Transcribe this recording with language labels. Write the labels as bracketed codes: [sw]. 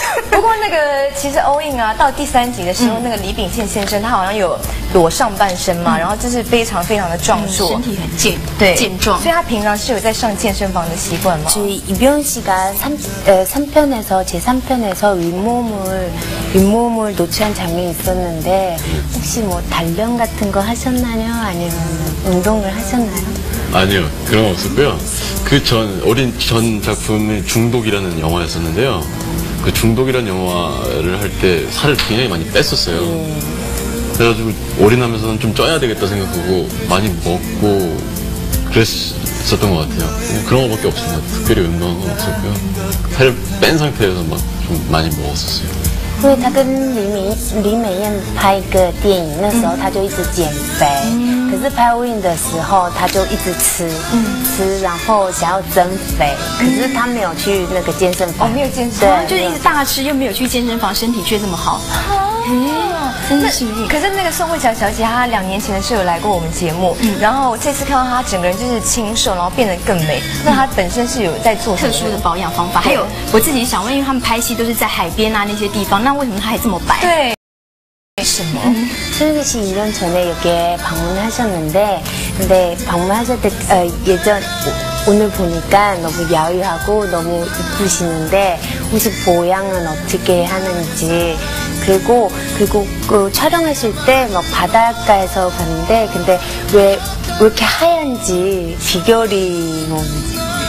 [zh] 不过那个其实欧印啊到第三集的时候那个李炳宪先生他好像有裸上半身嘛然后就是非常非常的壮硕身体很健对健壮所以他平常是有在上健身房的习惯吗就是이병헌씨가 [ko] 3편에서 제3편에서 윗몸을 노출한 장면이 있었는데 혹시 뭐 단련 같은 거 하셨나요 아니면 운동을 하셨나요 아니요 그런 거 없었고요 그 전 작품의 중독이라는 영화였었는데요 그 중독이라는 영화를 할 때 살을 굉장히 많이 뺐었어요. 그래가지고 올인하면서는 좀 쪄야 되겠다 생각하고 많이 먹고 그랬었던 것 같아요. 그런 것밖에 없었나 특별히 운동한 건 없었고요. 살을 뺀 상태에서 막 좀 많이 먹었었어요. [zh] 因为他跟李美艳拍一个电影，那时候他就一直减肥，可是拍《欧印》的时候他就一直吃，吃，然后想要增肥，可是他没有去那个健身房，哦，没有健身房，就一直大吃又没有去健身房，身体却这么好。可是那个宋慧乔小姐，她两年前的时候有来过我们节目，然后这次看到她整个人就是清瘦，然后变得更美。那她本身是有在做特殊的保养方法，还有我自己想问，因为他们拍戏都是在海边啊那些地方，那为什么她还这么白？对。 [ko] 승기 씨 2년 전에 여기에 방문하셨는데 근데 방문하실 때 예전 오늘 보니까 너무 야위하고 너무 이쁘시는데 혹시 보양은 어떻게 하는지 그리고 그 촬영하실 때 막 바닷가에서 봤는데 근데 왜 이렇게 하얀지 비결이 뭔지